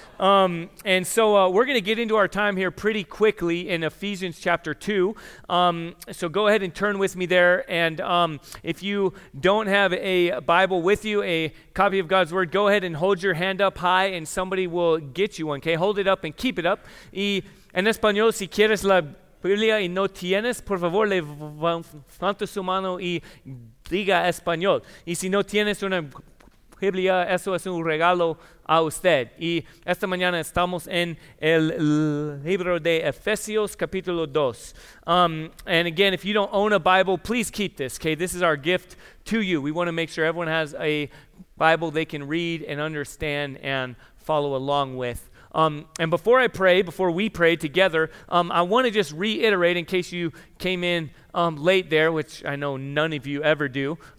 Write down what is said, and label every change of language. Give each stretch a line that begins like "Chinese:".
English: We're going to get into our time here pretty quickly in Ephesians chapter 2. So go ahead and turn with me there. And if you don't have a Bible with you, a copy of God's Word, go ahead and hold your hand up high and somebody will get you one. Okay, hold it up and keep it up.
Spanish: Y en español, si quieres la Biblia y no tienes, por favor, levanta su mano y diga español. Y si no tienes una Biblia, eso es un regalo a usted. Y esta mañana estamos en el libro de Efesios, capítulo 2.
English: And again, if you don't own a Bible, please keep this, okay? This is our gift to you. We want to make sure everyone has a Bible they can read and understand and follow along with. And before I pray, before we pray together, I want to just reiterate in case you came in late there, which I know none of you ever do.